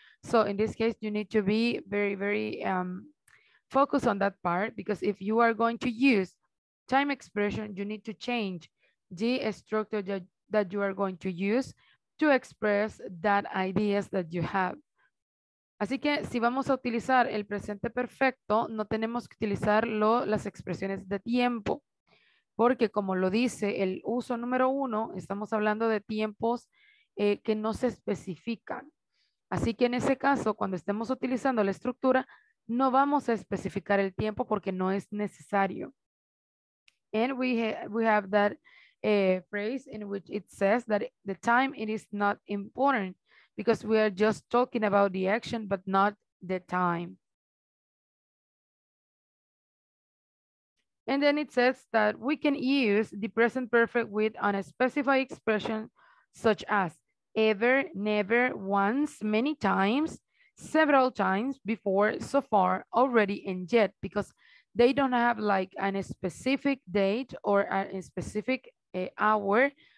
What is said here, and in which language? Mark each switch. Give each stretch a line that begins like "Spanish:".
English: So in this case, you need to be very, very focused on that part, because if you are going to use time expression, you need to change the structure that you are going to use to express that ideas that you have.
Spanish: Así que si vamos a utilizar el presente perfecto, no tenemos que utilizar las expresiones de tiempo, porque como lo dice el uso número uno, estamos hablando de tiempos que no se especifican. Así que en ese caso, cuando estemos utilizando la estructura, no vamos a especificar el tiempo porque no es necesario.
English: And we have that phrase in which it says that the time it is not important, because we are just talking about the action, but not the time. And then it says that we can use the present perfect with unspecified expression such as ever, never, once, many times, several times, before, so far, already, and yet, because they don't have like a specific date or a specific hour.